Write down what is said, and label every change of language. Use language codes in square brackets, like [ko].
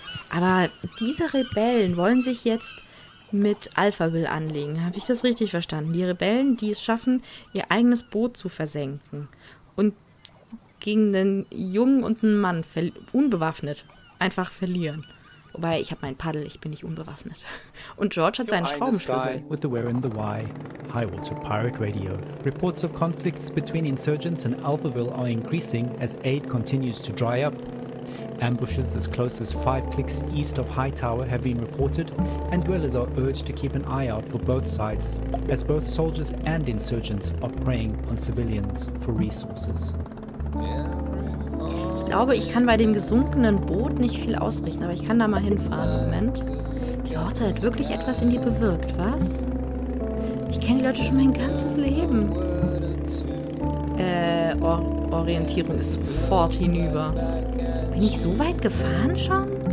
[de] Aber diese Rebellen wollen sich jetzt mit Alphaville anlegen. Habe ich das richtig verstanden? Die Rebellen, die es schaffen, ihr eigenes Boot zu versenken. Und gegen einen Jungen und einen Mann unbewaffnet einfach verlieren. Wobei, ich habe meinen Paddel, ich bin nicht unbewaffnet. Und George hat seinen Schraubenschlüssel. [en] With the where and the why, Highwater Pirate Radio. Reports of conflicts between insurgents and Alphaville are increasing as aid continues to dry up. Ambushes as close as 5 clicks east of Hightower have been reported, and dwellers are urged to keep an eye out for both sides, as both soldiers and insurgents are preying on civilians for resources. [de] Ich glaube, ich kann bei dem gesunkenen Boot nicht viel ausrichten, aber ich kann da mal hinfahren. Moment. Die Horte hat wirklich etwas in dir bewirkt, was? Ich kenne die Leute schon mein ganzes Leben. Orientierung ist sofort hinüber. Bin ich so weit gefahren schon?